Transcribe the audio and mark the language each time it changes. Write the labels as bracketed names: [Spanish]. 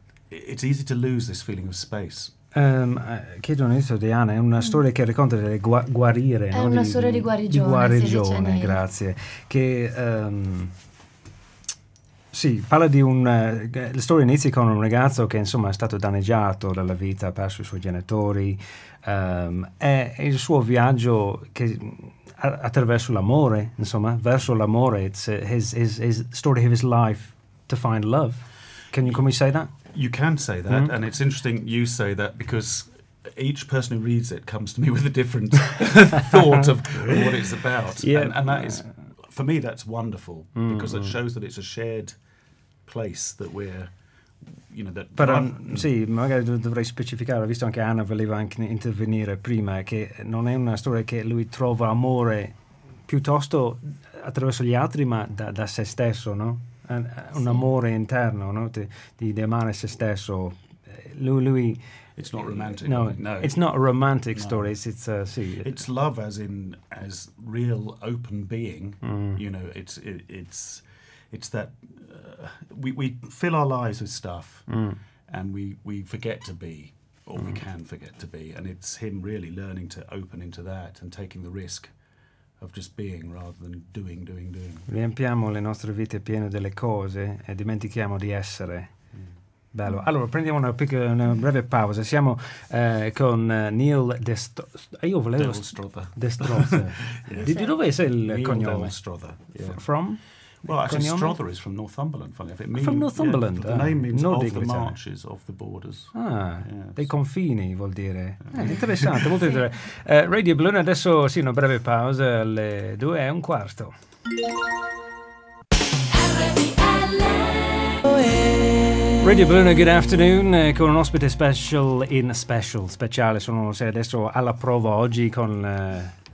[English] It's easy to lose this feeling of space. [Italian] Chiedo un inizio, Diana, è una storia che racconta di guarire, è no? Una storia di guarigione, di guarigione, grazie, che sì, parla di un la storia inizia con un ragazzo che insomma è stato danneggiato dalla vita, ha perso i suoi genitori, è il suo viaggio che attraverso l'amore, insomma, verso l'amore. [English] It's his story of his life to find love. Can you say that? You can say that, and it's interesting you say that, because each person who reads it comes to me with a different thought of what it's about. Yeah. And that is, for me, that's wonderful, because it shows that it's a shared place that we're, you know, that... [Italian] Però, sì, magari dovrei specificare, visto anche Anna voleva anche intervenire prima, che non è una storia che lui trova amore piuttosto attraverso gli altri, ma da se stesso, no? Un amore interno, no? di amare se stesso. Lui [English] it's not romantic. No. It's not a romantic story. It's love as real open being. You know, it's that we fill our lives with stuff, and we forget to be, or we can forget to be, and it's him really learning to open into that and taking the risk of just being rather than doing. [Italian] Riempiamo le nostre vite piene delle cose e dimentichiamo di essere. Bello. Allora, prendiamo una breve pausa. Siamo con Neil Delstrother. Yes. Di dove è il Neil cognome? [English] Neil Delstrother. Yeah. From? Well, actually, [Italian] cognome? [English] Strother is from Northumberland, funny enough. From Northumberland? Yeah, the name means of the marches, of the borders. Ah, yes. [Italian] Dei confini, vuol dire. Interessante, molto interessante. Radio Balloon, adesso sì, una breve pausa, alle 14:15. Radio Balloon, [English] good afternoon, [Italian] con un ospite speciale, sono adesso alla prova oggi con...